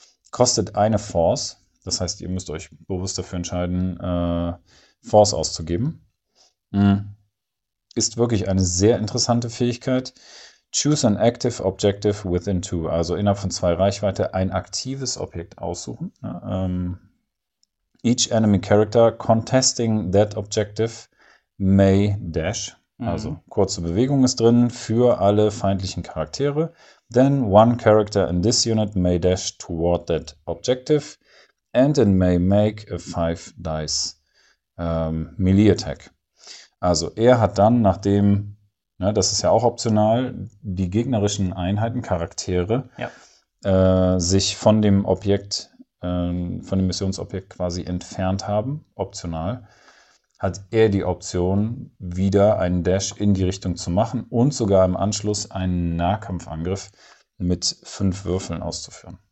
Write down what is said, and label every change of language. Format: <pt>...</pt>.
<de>Kostet eine Force. Das heißt, ihr müsst euch bewusst dafür entscheiden, Force auszugeben. Ist wirklich eine sehr interessante Fähigkeit.</de> <en>Choose an active objective within two.</en> <de>Also innerhalb von zwei Reichweite ein aktives Objekt aussuchen.</de> <en>Each enemy character contesting that objective may dash.</en> <de>Also kurze Bewegung ist drin für alle feindlichen Charaktere.</de> <en>Then one character in this unit may dash toward that objective and it may make a five dice melee attack.</en> <de>Also er hat dann, nachdem, ne, das ist ja auch optional, die gegnerischen Einheiten, Charaktere, sich von dem Objekt, von dem Missionsobjekt quasi entfernt haben, optional, hat er die Option, wieder einen Dash in die Richtung zu machen und sogar im Anschluss einen Nahkampfangriff mit fünf Würfeln auszuführen.</de>